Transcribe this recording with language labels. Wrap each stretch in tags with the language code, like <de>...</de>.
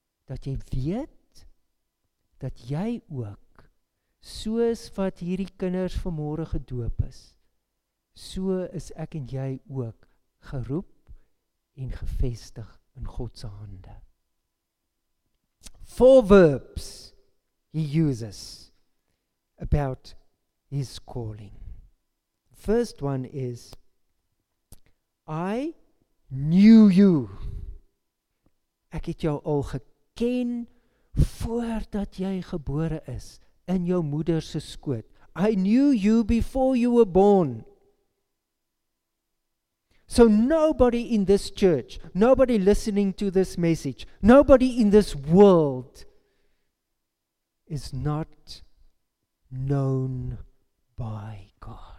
<af>Dat jy weet dat jy ook, soos wat hierdie kinders vanmôre gedoop is, so is ek en jy ook geroep en gevestig in God se hande.</af> <en>Four verbs he uses about his calling. First one is, I knew you.</en> <af>Ek het jou al geken voordat jy gebore is in jou moeder se skoot.</af> <en>I knew you before you were born. So nobody in this church, nobody listening to this message, nobody in this world is not known by God.</en>